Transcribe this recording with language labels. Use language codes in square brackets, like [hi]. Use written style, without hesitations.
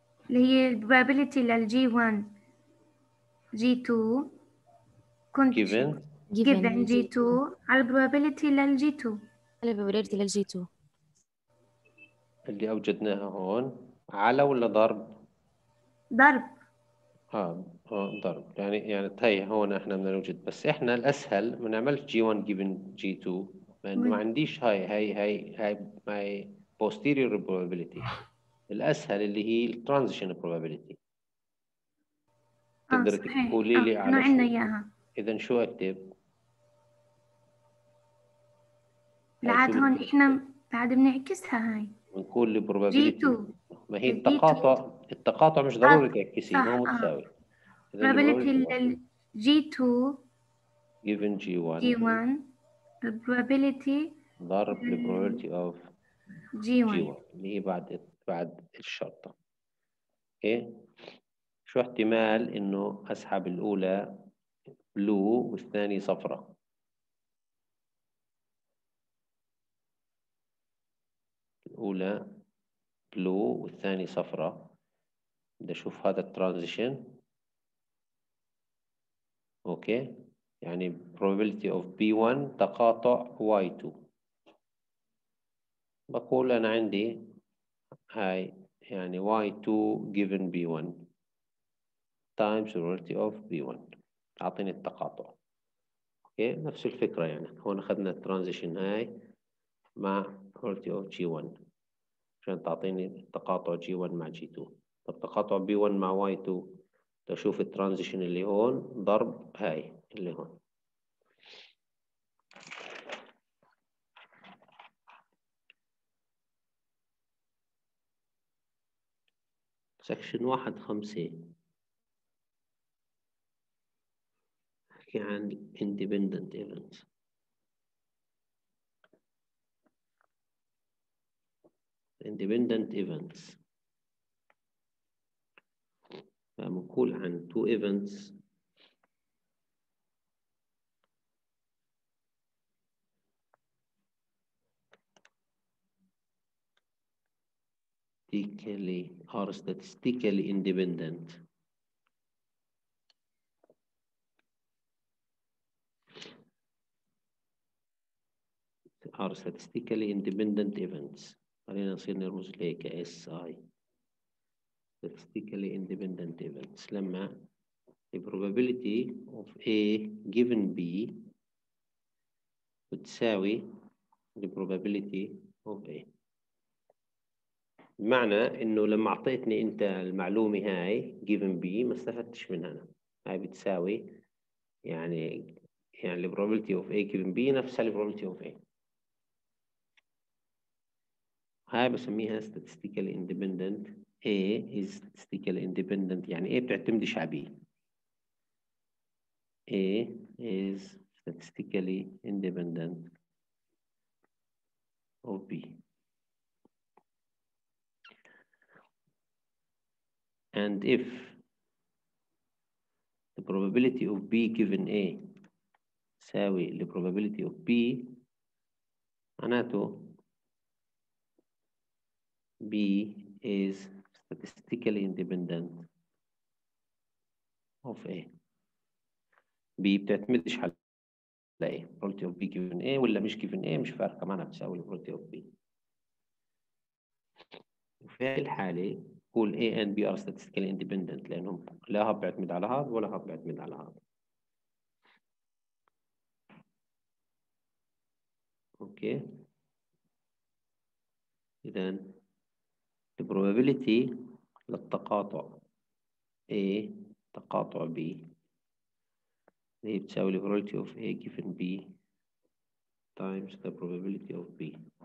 [ar] اللي هي probability لل G1 G2 كون given [en] given G2 [ar] على probability لل G2 على probability لل G2 اللي أوجدناها هون على ولا ضرب؟ ضرب ها ضرب يعني يعني تاي هون احنا بدنا نوجد، بس احنا الاسهل ما نعملش جي 1 جيفن جي 2 لانه ما عنديش هاي ماي بوستيريور probability. الاسهل اللي هي الترانزيشن probability. تقدر تقولي لي على عندنا اياها. اذا شو اكتب؟ بعد هون احنا بعد بنعكسها هاي بنقول لي probability ما هي التقاطع، التقاطع مش ضروري تعكسي، هو متساوي. probability لل G2 [en] given G1 G1 probability ضرب ال probability of G1 [ar] اللي هي بعد بعد الشرطة. اوكي شو احتمال انه اسحب الاولى بلو والثانية صفراء؟ الاولى بلو والثانية صفراء. بدي اشوف هذا الترانزيشن. اوكي يعني probability of B1 تقاطع Y2. بقول انا عندي هاي يعني [en] Y2 given B1 times probability of B1 [ar] اعطيني التقاطع. اوكي نفس الفكرة يعني هون اخذنا الترانزيشن هاي مع probability of G1 عشان تعطيني التقاطع G1 مع G2. طب تقاطع B1 مع Y2 تشوف الترانزيشن اللي هون ضرب هاي اللي هون. سكشن 1.5 حكي عن independent events. [en] independent events [ar] فمنقول عن [en] two events statistically are statistically independent. Are statistically independent events. [ar] خلينا نصير نرمز ليك اس اي. [en] Statistically independent events [ar] لما [en] the probability of A given B [ar] بتساوي [en] the probability of A. [ar] بمعنى انه لما اعطيتني انت المعلومه هاي given B ما استفدتش منها انا، هاي بتساوي يعني يعني [en] the probability of A given B [ar] نفسها the probability of A. هاي بسميها statistically independent. [en] A is statistically independent [ar] يعني A بتعتمدش على B. [en] A is statistically independent of B. And if the probability of B given A [ar] ساوي [en] the probability of B [ar] معناته [en] B is statistically independent of A. [ar] B بتعتمدش على A. [en] probability of B given A [ar] ولا مش given A مش فارقة معنا بتساوي probability of B. وفي هذه الحالة كل [en] A and B are statistically independent [ar] لأنهم لا هب بيعتمد على هذا ولا هب بيعتمد على هذا. أوكي إذا [en] the probability للتقاطع A تقاطع B هي بتساوي the probability of A given B times the probability of B.